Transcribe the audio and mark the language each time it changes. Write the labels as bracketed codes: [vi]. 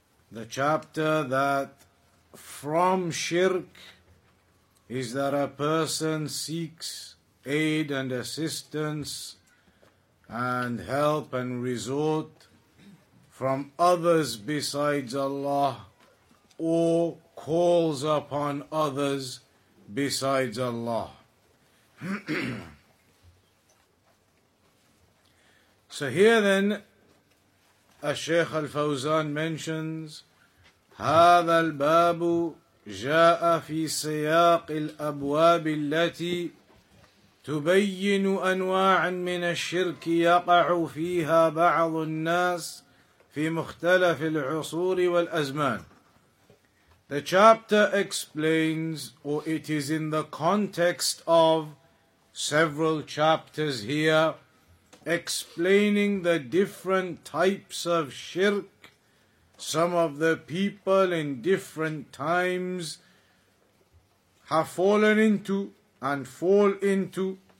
[en] The chapter that from shirk is that a person seeks aid and assistance and help and resort from others besides Allah, or calls upon others besides Allah. So here then, as Shaykh Al-Fawzan mentions, [ar] هذا الباب جاء في سياق الأبواب التي تبين أنواعا من الشرك يقع فيها بعض الناس في مختلف العصور والأزمان. [en] The chapter explains, or it is in the context of several chapters here, explaining the different types of shirk some of the people in different times have fallen into and fall into.